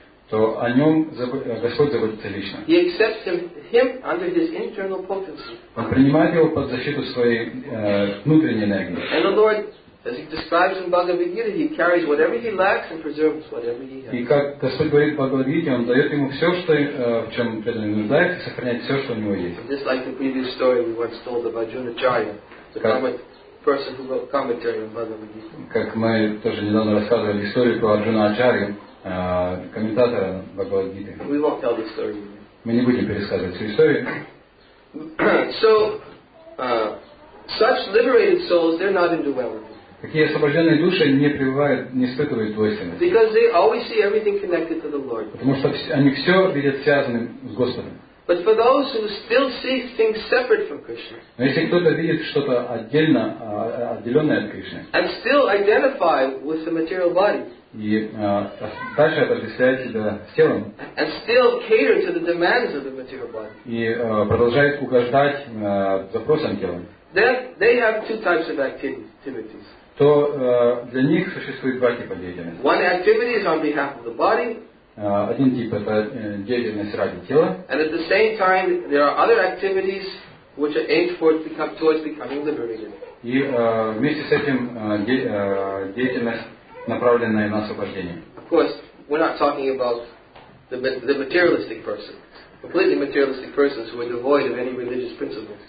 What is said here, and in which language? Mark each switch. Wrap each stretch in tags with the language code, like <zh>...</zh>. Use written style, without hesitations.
<ru>То о нем Господь заботится лично.</ru> <en>He accepts him under his internal potency.</en> <ru>Он принимает его под защиту своей внутренней энергии.</ru> <en>And the Lord, as he describes in Bhagavad Gita, he carries whatever he lacks and preserves whatever he has.</en> <ru>И как Господь говорит в Бхагавад Гите, он дает ему все, что в чем преданный нуждается, сохраняет все, что у него есть.</ru> <en>Just like the previous story we once told about Junacharya, the person who wrote commentary on Bhagavad Gita.</en> <ru>Как мы тоже недавно рассказывали историю про Джунаачарью, комментатора Бхагавад Гиты.</ru> <en>We won't tell the story.</en> <ru>Мы не будем пересказывать всю историю.</ru> <en>So such liberated souls, they're not in duality.</en> <ru>Такие освобожденные души не пребывают, не испытывают двойственности.</ru> <en>Because they always see everything connected to the Lord.</en> <ru>Потому что они все видят связанным с Господом.</ru> <en>But for those who still see things separate from Krishna.</en> <ru>Но если кто-то видит что-то отдельно, отделенное от Кришны.</ru> <en>And still identify with the material body.</en> <ru>И дальше отождествляет себя с телом.</ru> <en>And still cater to the demands of the material body.</en> <ru>И продолжает угождать запросам тела.</ru> <en>They have two types of activities.</en> <ru>То для них существует два типа деятельности.</ru> <en>One activity is on behalf of the body.</en> <ru>Один тип это деятельность ради тела.</ru> <en>And at the same time, there are other activities which are aimed towards becoming liberated.</en> <ru>И вместе с этим деятельность направленная на освобождение.</ru> <en>Of course, we're not talking about the materialistic person. Completely materialistic persons who are devoid of any religious principles.</en>